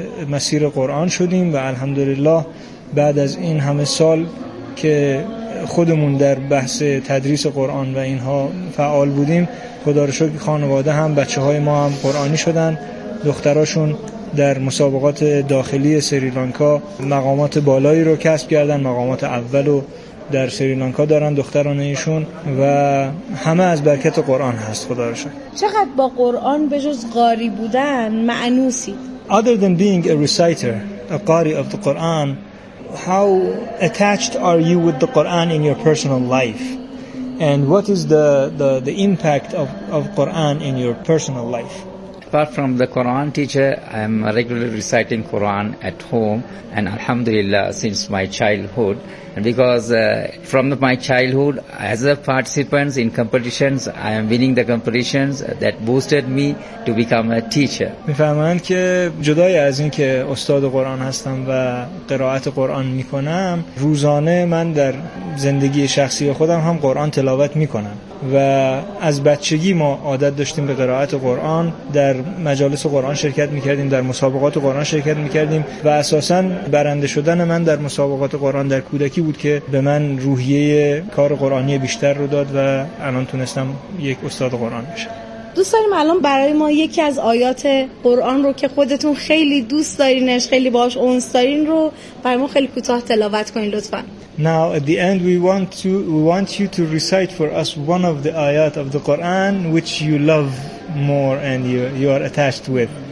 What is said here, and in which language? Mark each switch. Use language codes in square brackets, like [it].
[fa] مسیر قرآن شدیم. و الحمدلله بعد از این همه سال که خودمون در بحث تدریس قرآن و اینها فعال بودیم، خدا رو شکر خانواده هم، بچه های ما هم قرآنی شدن، دختراشون در مسابقات داخلی سریلانکا مقامات بالایی رو کسب کردن، مقامات اول رو در سریلانکا دارن دختران ایشون، و همه از برکت قرآن هست خدا رو شکر. چقدر با قرآن به جز قاری بودن معنوسی؟ [en] Other than being a reciter, a qari of the Quran, how attached are you with the Quran in your personal life? And what is the impact of Quran in your personal life? Apart from the Quran teacher, I am regularly reciting Quran at home, and alhamdulillah since my childhood. And because from my childhood, as a participant in competitions, I am winning the competitions that boosted me to become a teacher. [fa] می‌فهمند که جدای از این که استاد قرآن هستم و قرائت قرآن می‌کنم، روزانه من در زندگی شخصی خودم هم قرآن تلاوت می‌کنم. و از بچگی ما عادت داشتیم به قرائت قرآن، در مجالس قرآن شرکت می‌کردیم، در مسابقات قرآن شرکت می‌کردیم، و اساساً برنده شدن من در مسابقات قرآن در کودکی بود که به من روحیه کار قرآنی بیشتر رو داد و الان تونستم یک استاد قرآن بشم. دوست داریم الان برای ما یکی از آیات قرآن رو که خودتون خیلی دوست دارینش، خیلی باهاش انس دارین رو برای ما خیلی کوتاه تلاوت کنین لطفاً. [en] Now at the end we want you to recite for us one of the ayat of the Quran which you love more and you are attached with.